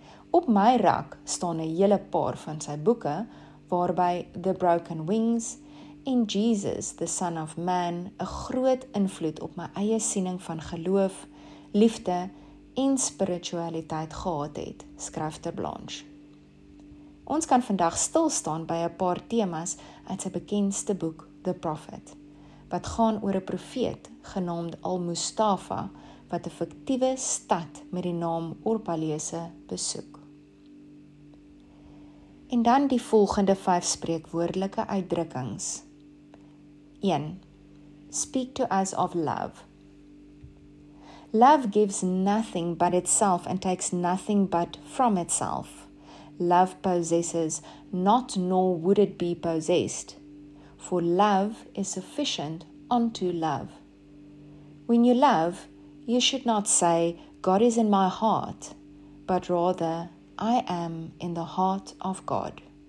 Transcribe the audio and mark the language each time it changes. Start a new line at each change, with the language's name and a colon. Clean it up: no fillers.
Afrikaans: Op my rak staan 'n hele paar van sy boeke, waarby The Broken Wings en Jesus, the Son of Man, 'n groot invloed op my eie siening van geloof, liefde en spiritualiteit gehad het, skryf Ter Blanche. Ons kan vandag stilstaan by 'n paar temas uit sy bekendste boek, The Prophet, wat gaan oor 'n profeet genaamd Al-Mustafa, wat 'n fiktiewe stad met die naam Orpalese besoek. En dan die volgende 5 spreekwoordelike uitdrukkings.
English: 1. Speak to us of love. Love gives nothing but itself and takes nothing but from itself. Love possesses not, nor would it be possessed. For love is sufficient unto love. When you love, you should not say, God is in my heart, but rather, I am in the heart of God.